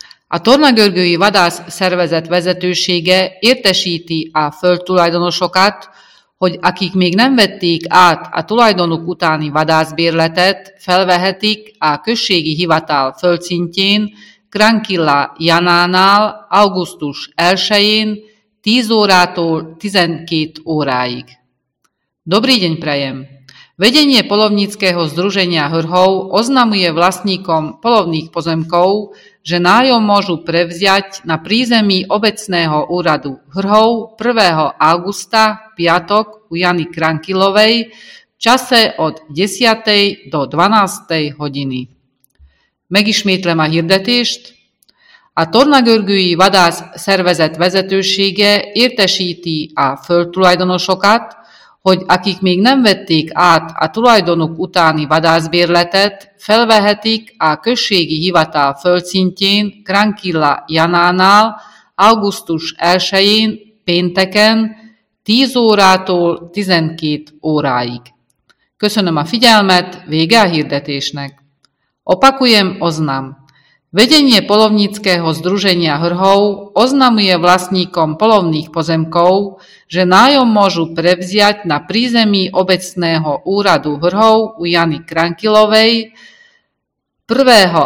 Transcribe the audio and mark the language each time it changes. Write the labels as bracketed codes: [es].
[hu] A tornagörgői vadász szervezet vezetősége értesíti a földtulajdonosokat, hogy akik még nem vették át a tulajdonuk utáni vadászbérletet, felvehetik a községi hivatal földszintjén Krankilla Janánál augusztus 1-én 10 órától 12 óráig. [sk] Dobrý deň prajem! Vedenie polovníckeho združenia Hrhov oznamuje vlastníkom polovných pozemkov, že nájom môžu prevziať na prízemí obecného úradu Hrhov 1. augusta piatok u Jany Krankilovej v čase od 10. do 12. hodiny. [hu] Megismétlem a hirdetést. A tornagörgői vadász szervezet vezetősége értesíti a földtulajdonosokat, hogy akik még nem vették át a tulajdonuk utáni vadászbérletet, felvehetik a községi hivatal földszintjén Krankilla Janánál augusztus 1-én pénteken 10 órától 12 óráig. Köszönöm a figyelmet, vége a hirdetésnek. [sk] Opakujem oznam. Vedenie polovníckeho združenia Hrhov oznamuje vlastníkom polovných pozemkov, že nájom môžu prevziať na prízemí obecného úradu Hrhov u Jany Krankilovej 1.